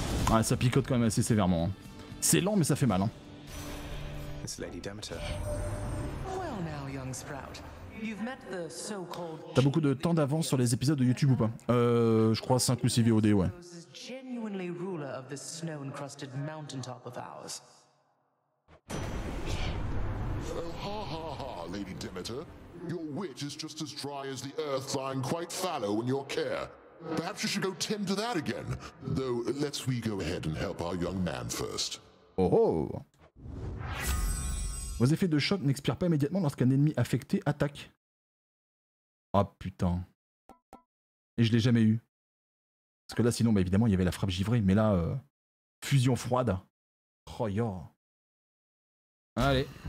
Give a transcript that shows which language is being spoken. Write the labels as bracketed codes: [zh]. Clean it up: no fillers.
[fr] Ah, ça picote quand même assez sévèrement. C'est lent mais ça fait mal. [en] It's Lady Demeter. Well now, young sprout. You've met the so-called... [fr] T'as beaucoup de temps d'avance sur les épisodes de YouTube ou pas? Je crois 5 ou 6 VOD, ouais. [en] Genuinely ruler of this snow-encrusted mountaintop of ours. Ha ha ha, Lady Demeter. Your wit is just as dry as the earth lying quite fallow in your care. Perhaps you should go tend to that again. Though, let's we go ahead and help our young man first. Oh oh! [fr] Vos effets de choc n'expirent pas immédiatement lorsqu'un ennemi affecté attaque. Oh putain. Et je l'ai jamais eu. Parce que là sinon, bah évidemment, il y avait la frappe givrée. Mais là, fusion froide. Oh yo. Allez.